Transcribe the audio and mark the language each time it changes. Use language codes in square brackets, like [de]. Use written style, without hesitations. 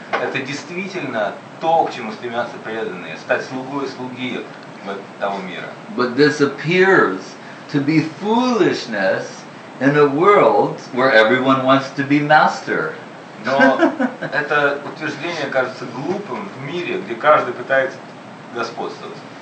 [ru] Это действительно то, к чему стремятся преданные, стать слугой слуги того мира. [en] But this appears to be foolishness in a world where everyone wants to be master. [ru] Но это утверждение кажется глупым в мире, где каждый пытается господствовать.